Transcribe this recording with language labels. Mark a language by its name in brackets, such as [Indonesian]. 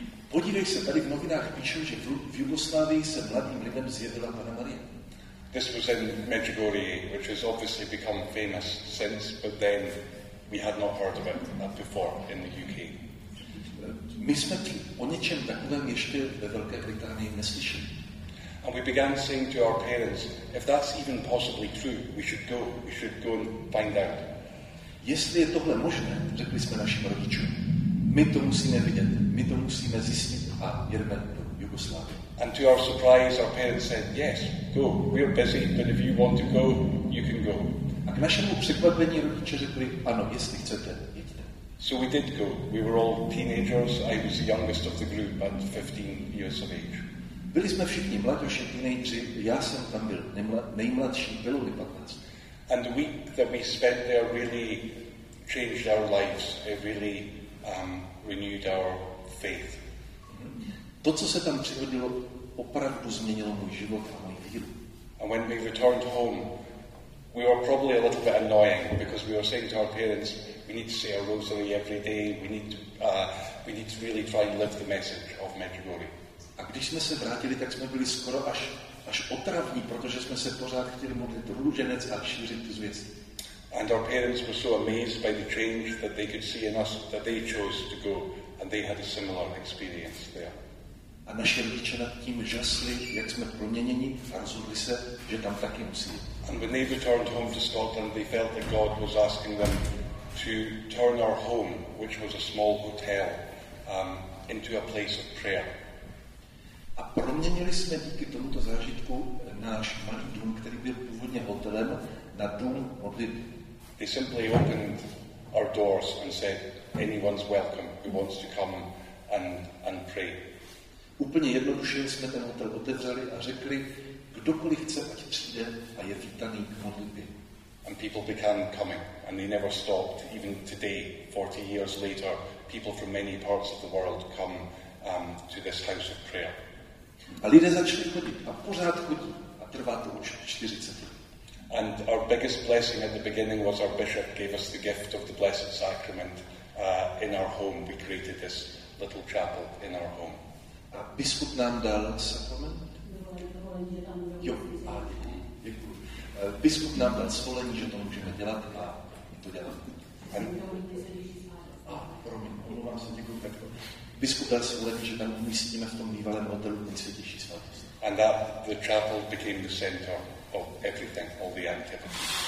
[Czech] Podívej se, tady v novinách píšou, že v Jugoslávii se mladým lidem zjevila Panna Marie. [English] This was in Medjugorje, which has obviously become famous since, but then we had not heard of it before in the UK. [Czech] My jsme tím o něčem takovém ještě ve Velké Británii neslyšeli. [English] And we began saying to our parents, if that's even possibly true, we should go and find out. [Czech] Jestli je tohle možné, řekli jsme našim rodičům, my to musíme vidět, my to musíme zjistit a jedeme do Jugoslávie. [English] And to our surprise, our parents said, yes, go, we're busy, but if you want to go, you can go. [Czech] A k našemu překvapení rodiče řekli, ano, jestli chcete, jeďte. [English] So we did go, we were all teenagers, I was the youngest of the group at 15 years of age. [Czech] Byli jsme všichni mladoši, teenageři, já jsem tam byl nejmladší, bylo mi 15. [English] And the week that we spent there really changed our lives, it really renewed our faith. [Czech] To, co se tam přihodilo, opravdu změnilo můj život a moji víru. [English] And when we returned home, we were probably a little bit annoying because we were saying to our parents, we need to say a rosary every day, we need to really try and live the message of Medjugorje. [Czech] A když jsme se vrátili, tak jsme byli skoro až otravní, protože jsme se pořád chtěli modlit růženec a šířit tu zvěst. [English] And our parents were so amazed by the change that they could see in us that they chose to go and they had a similar experience there. [Czech] A naše rodiče nad tím žasli, jak jsme proměněni a rozhodli se, že tam taky musí. [English] And when they returned home to Scotland, they felt that God was asking them to turn our home, which was a small hotel, into a place of prayer. [Czech] A proměnili jsme díky tomuto zážitku náš malý dům, který byl původně hotelem, na dům modlitby. [English] They simply opened our doors and said, anyone's welcome who wants to come and pray. [Czech] Úplně jednoduše jsme ten hotel otevřeli a řekli, kdokoliv chce, ať přijde a je vítaný k modlitbě. [English] And people began coming and they never stopped. Even today, 40 years later, people from many parts of the world come to this house of prayer. [Czech] A lidé začali chodit a pořád chodí a trvá to už 40 let. [English] And our biggest blessing at the beginning was our bishop gave us the gift of the Blessed Sacrament in our home. We created this little chapel in our home. [Czech] A biskup nám dal sakrament? Jo, a děkuji. Biskup nám dal svolení, že to můžeme dělat a to děláme. A promiň, omlouvám se, děkuji takto. Biskup dal svolení, že tam umístíme v tom bývalém hotelu Nejsvětější svátosti. [English] And that the chapel became the center of everything, all the activities.